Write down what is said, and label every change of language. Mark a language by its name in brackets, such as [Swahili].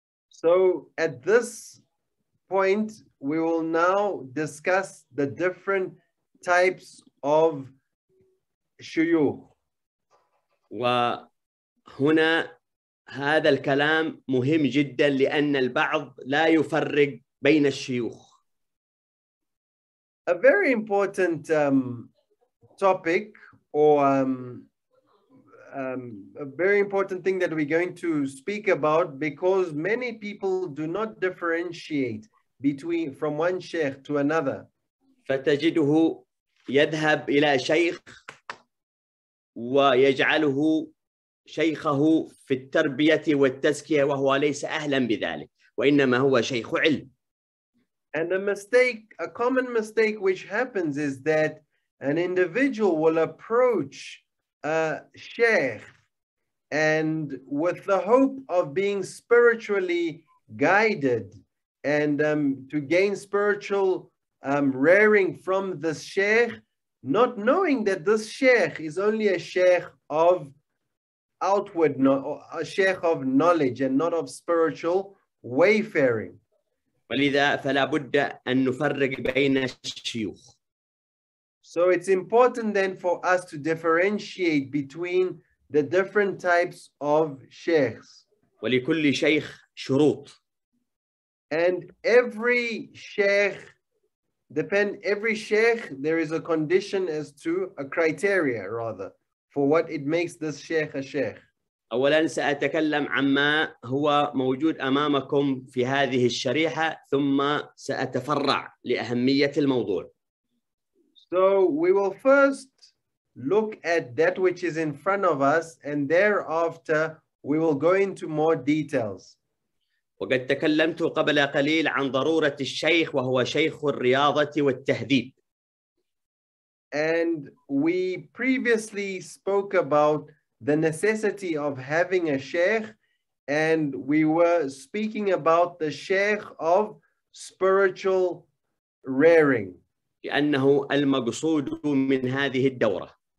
[English] So at this point, we will now discuss the different types of shuyukh. [Arabic] وهنا هذا الكلام مهم جدا لأن البعض لا يفرق بين الشيوخ. [English] A very important topic or a very important thing that we're going to speak about, because many people do not differentiate between from one sheikh to another. [Arabic] فتجده يذهب إلى شيخ ويجعله شيخه في التربية والتزكية وهو ليس أهلا بذلك وإنما هو شيخ علم. [English] And a common mistake which happens is that an individual will approach a sheikh and with the hope of being spiritually guided and to gain spiritual rearing from the sheikh, not knowing that this sheikh is only a sheikh of outward, a sheikh of knowledge and not of spiritual wayfaring. [Arabic] ولذا فلا بد أن نفرق بين الشيوخ. [English] So it's important then for us to differentiate between the different types of sheikhs. [Arabic] ولكل شيخ شروط. [English] And every sheikh, there is a condition as to a criteria rather for what it makes this sheikh a sheikh. [Arabic] أولا سأتكلم عما هو موجود أمامكم في هذه الشريحة ثم سأتفرع لأهمية الموضوع. [English] So we will first look at that which is in front of us, and thereafter we will go into more details. [Arabic] وقد تكلمت قبل قليل عن ضرورة الشيخ وهو شيخ الرياضة والتهذيب. [English] And we previously spoke about the necessity of having a sheikh, and we were speaking about the sheikh of spiritual rearing. [Arabic] لأنه المقصود من هذه الدورة.